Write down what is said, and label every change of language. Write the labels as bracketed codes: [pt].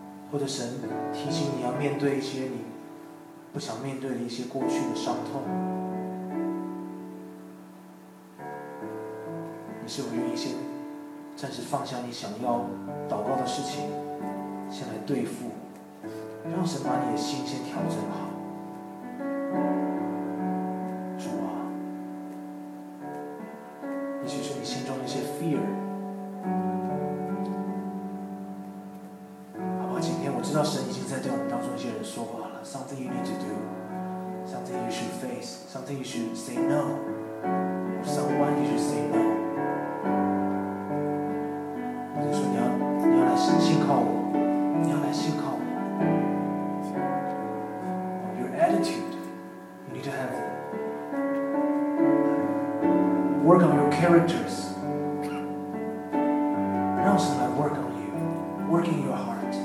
[zh] 或者神提醒你要面对一些你不想面对的一些过去的伤痛，你是否愿意先暂时放下你想要祷告的事情，先来对付，让神把你的心先调整好。主啊，也许是你心中的一些 fear，知道神已经在对我们当中一些人说话了。 [en] Something you need to do, Something you should face, Something you should say no, or someone you should say no。 [zh] 我就说，你要来信靠我，你要来信靠我。 [en] Your attitude, you need to have work on your characters, [zh] 让神来 [en] work on you, work in your heart。